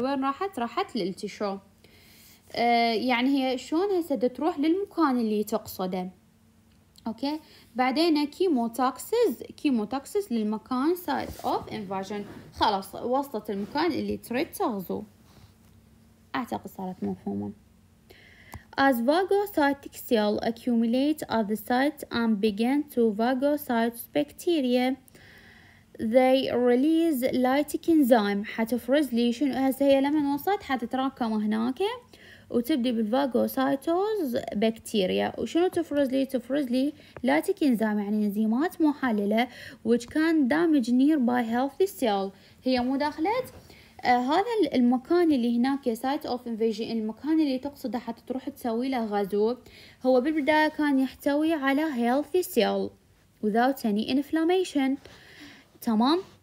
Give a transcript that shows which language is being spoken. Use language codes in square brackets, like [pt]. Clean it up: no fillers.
[ar] وين راحت؟ راحت للتشو. يعني هي شلون هسه تروح للمكان اللي تقصده. اوكي بعدين كيموتوكسز للمكان سايت اوف انفاجن، خلاص وصلت المكان اللي تريد تغزو. اعتقد صارت مفهومة. [en] As vagocytic cell accumulate at the site and begin to vagocytose bacteria, they release lytic enzyme. [ar] حتفرز لي شنو هسه هي لما وصلت حتتراكم هناك وتبدي بالفاجوسايتوز بكتيريا. وشنو تفرز لي؟ تفرز لي lytic enzyme يعني انزيمات محللة [en] which can damage nearby healthy cell. [ar] هي مو داخلت هذا المكان اللي هناك سايت اوف انفيجن، المكان اللي تقصده حتى تروح تسوي له غزو، هو بالبدايه كان يحتوي على هيلثي سيل [en] without any inflammation [ar] تمام.